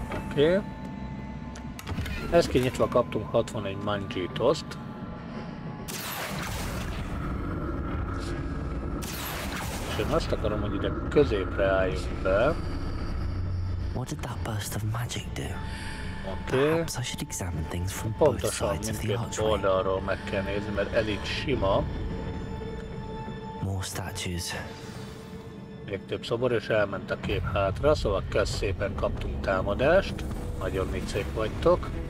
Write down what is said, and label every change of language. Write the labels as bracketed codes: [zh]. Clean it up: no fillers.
[hu] Oké. Ezt kinyitva kaptunk 61 Mangitoszt. És én azt akarom, hogy ide középre álljunk be. [en] What did that burst of magic do? Okay. Perhaps I should examine things from both sides of the archway. [hu] Oldalról meg kell nézni, mert elég sima. [en] More statues. [hu] Még több szobor, és elment a kép hátra, szóval kösz szépen, kaptunk támadást. Nagyon viccék vagytok.